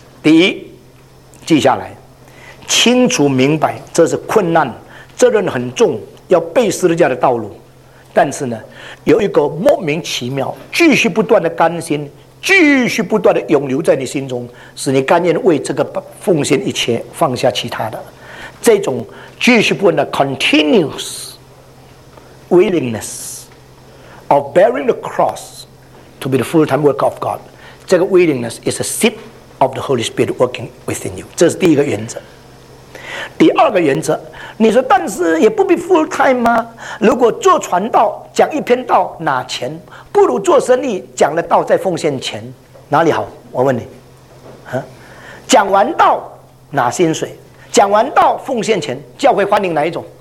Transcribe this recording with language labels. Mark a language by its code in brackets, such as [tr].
[zh] 第一，记下来。清楚明白这是困难，责任很重，要背十字架的道路。但是呢，有一个莫名其妙继续不断的甘心，继续不断的涌流在你心中，使你甘愿为这个奉献一切，放下其他的。这种继续不断的 [en] continuous willingness of bearing the cross to be the full time work of God， [zh] 这个 [en] willingness is a seed of the Holy Spirit working within you， [zh] 这是第一个原则。第二个原则，你说但是也不必 full time 吗？如果做传道讲一篇道拿钱，不如做生意讲了道再奉献钱，哪里好？我问你，讲完道拿薪水，讲完道奉献钱，教会欢迎哪一种？